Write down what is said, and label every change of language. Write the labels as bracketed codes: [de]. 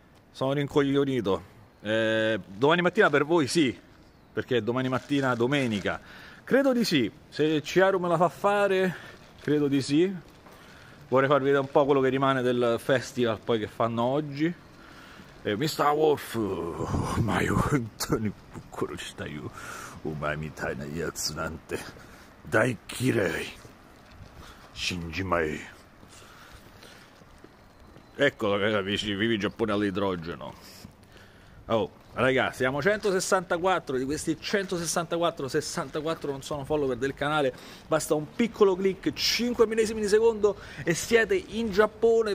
[it] Sono rincoglionito. Domani mattina per voi sì, perché domani mattina domenica. Credo di sì, se Chiaro me la fa fare, credo di sì. Vorrei farvi vedere un po' quello che rimane del festival poi che fanno oggi. [en] Mr. [ja] Wolf, [it] ma io [ja] 本当に殺したよ。お前みたいなやつなんて大嫌い。死んじまえ。 [it] Ecco, vivi in Giappone all'idrogeno. Oh, ragazzi, siamo 164 di questi 164 non sono follower del canale. Basta un piccolo click, 5 millesimi di secondo e siete in Giappone.